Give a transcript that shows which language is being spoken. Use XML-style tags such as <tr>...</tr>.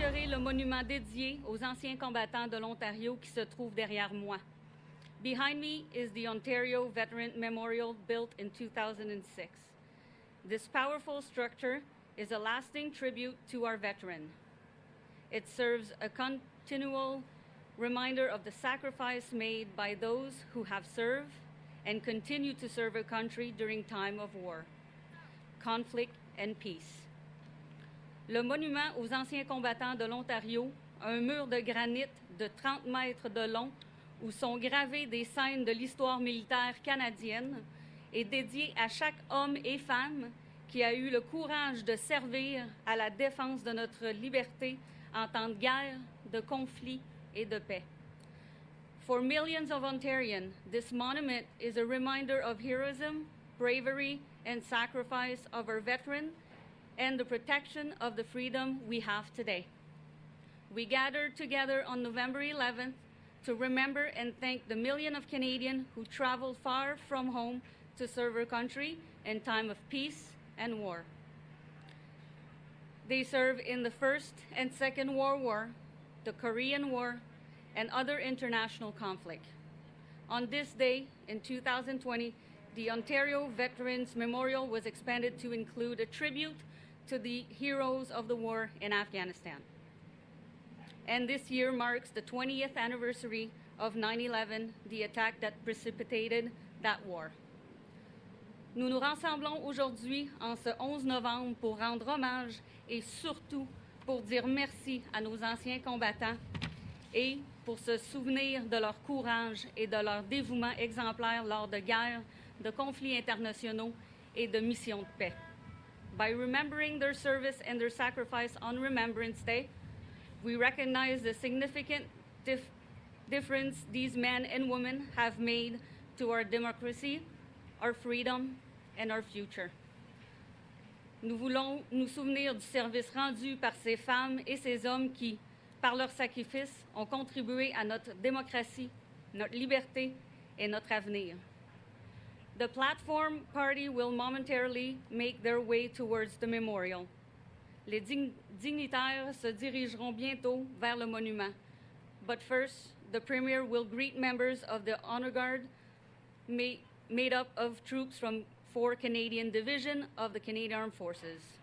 <fr>le monument dédié aux anciens combattants de l'Ontario qui se trouve derrière moi.</fr> <en>Behind me is the Ontario Veteran Memorial built in 2006. This powerful structure is a lasting tribute to our veteran. It serves a continual reminder of the sacrifice made by those who have served and continue to serve a country during time of war, conflict and peace.</en> <fr>Le monument aux anciens combattants de l'Ontario, un mur de granit de 30 mètres de long où sont gravées des scènes de l'histoire militaire canadienne, est dédié à chaque homme et femme qui a eu le courage de servir à la défense de notre liberté en temps de guerre, de conflit et de paix.</fr> <en>For millions of Ontarians, this monument is a reminder of heroism, bravery and sacrifice of our veterans and the protection of the freedom we have today. We gathered together on November 11th to remember and thank the million of Canadians who traveled far from home to serve our country in time of peace and war. They served in the First and Second World War, the Korean War, and other international conflict. On this day, in 2020, the Ontario Veterans Memorial was expanded to include a tribute to the heroes of the war in Afghanistan. And this year marks the 20th anniversary of 9/11, the attack that precipitated that war.</en> <fr>Nous nous rassemblons aujourd'hui en ce 11 novembre pour rendre hommage et surtout pour dire merci à nos anciens combattants et pour se souvenir de leur courage et de leur dévouement exemplaire lors de guerres, de conflits internationaux et de missions de paix.</fr> <en>By remembering their service and their sacrifice on Remembrance Day, we recognize the significant difference these men and women have made to our democracy, our freedom, and our future.</en> <fr>Nous voulons nous souvenir du service rendu par ces femmes et ces hommes qui, par leur sacrifice, ont contribué à notre démocratie, notre liberté, et notre avenir.</fr> <en>The platform party will momentarily make their way towards the memorial.</en> <fr>Les dignitaires se dirigeront bientôt vers le monument.</fr> <en>But first, the premier will greet members of the honor guard made up of troops from 4 Canadian division of the Canadian Armed Forces.</en>